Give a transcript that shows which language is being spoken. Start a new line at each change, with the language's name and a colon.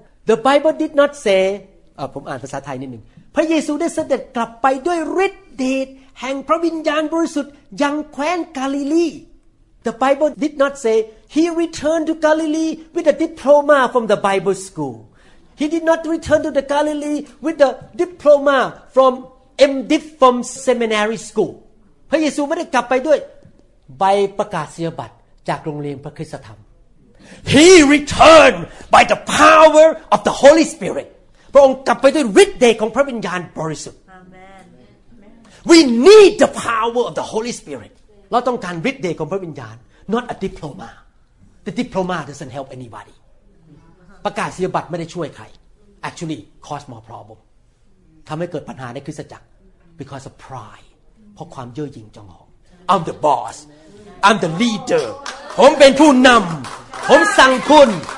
English: The Bible did not say
Thai: ผมอ่านภาษาไทยนิดนึงพระเยซูได้เสด็จกลับไปด้วยฤทธิ์เดชแห่งพระวิญญาณบริสุทธิ์ยังแคว้นกาลิลี
English: The Bible did not say he returned to Galilee with a diploma from the Bible school. He did not return to the Galilee with a diploma from MDiv from seminary school.
Thai: พระเยซูไม่ได้กลับไปด้วยใบประกาศนียบัตรจากโรงเรียนพระคริสตธรรม
English: He returned by the power of the Holy Spirit.
Thai: พระองค์กลับไปด้วยฤทธิ์เดชของพระวิญญาณบริสุทธิ์
English: We need the power of the Holy Spirit.
Thai: เราต้องการฤทธิ์เดชของพระวิญญาณ
English: not a diploma. The diploma doesn't help anybody.
Thai: ประกาศนียบัตรไม่ได้ช่วยใคร
English: actually cause more problem.
Thai: ทำให้เกิดปัญหาในคริสตจักร
English: because of pride.
Thai: เพราะความเย่อหยิ่งจองหอง
English: I'm the boss. I'm the leader.
Thai: ผมเป็นผู้นำผมสั่งคุณ